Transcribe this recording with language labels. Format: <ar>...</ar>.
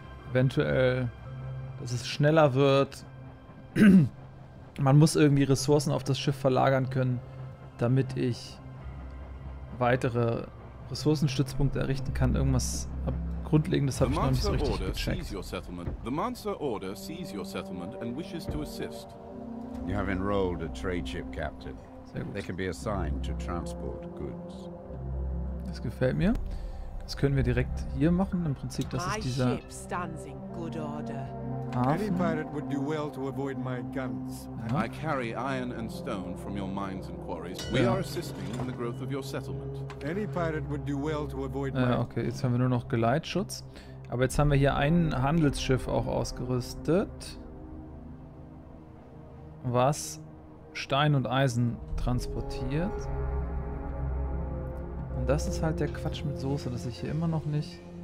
<de>Eventuell, dass es schneller wird. Man muss irgendwie Ressourcen auf das Schiff verlagern können, damit ich weitere Ressourcenstützpunkte errichten kann. Irgendwas Grundlegendes habe ich noch nicht so richtig gecheckt.</de> <en>The Monster Order sees your settlement and wishes to assist. You have enrolled a trade ship captain.</en> <de>Sehr gut.</de> <en>They can be assigned to transport goods.</en> <de>Das gefällt mir. Das können wir direkt hier machen. Im Prinzip, das ist dieser Hafen.</de> <en>Any pirate would do well to avoid my guns. I carry iron and stone from your mines and quarries. We are assisting in the growth of your settlement. Any pirate would do well to avoid my.</en> <de>Okay, jetzt haben wir nur noch Geleitschutz. Aber jetzt haben wir hier ein Handelsschiff auch ausgerüstet, was Stein und Eisen transportiert. Und das ist halt der Quatsch mit Soße, dass ich hier immer noch nicht.</de>